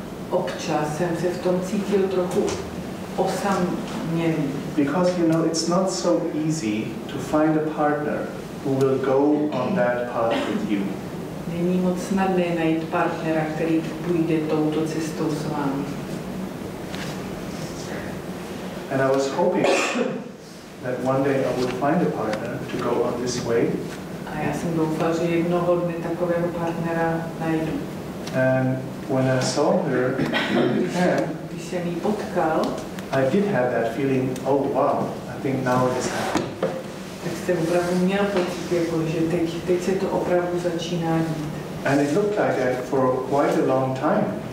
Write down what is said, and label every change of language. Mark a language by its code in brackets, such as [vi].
[cs] Občas jsem se v tom cítil trochu osamělý. [en] Because you know, it's not so easy to find a partner who will go on that path with you. [cs] Není moc snadné najít partnera, který půjde touto cestou s vámi. [en] And I was hoping that one day I would find a partner to go on this way. [cs] A já jsem doufal, že jednoho dne takového partnera najdu. [en] And when I saw her, [cs] když jsem ji potkal, [en] I did have that feeling, oh wow, I think now it is happening. [cs] Tak jsem opravdu měl pocit, jako, že teď se to opravdu začíná dít. [en] And it looked like that for quite a long time.